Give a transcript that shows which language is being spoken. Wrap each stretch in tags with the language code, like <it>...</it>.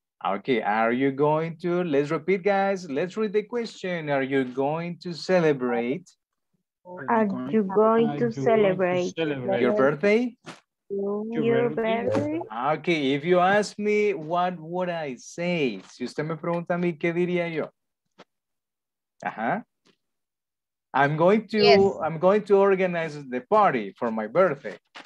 <en>Okay, are you going to, let's repeat, guys. Let's read the question. Are you going to celebrate? Are you going to celebrate your birthday? Your birthday. Okay, if you ask me, what would I say?</en> <es>Si usted me pregunta a mí, ¿qué diría yo?</es> <en>I'm going to organize the party for my birthday.</en>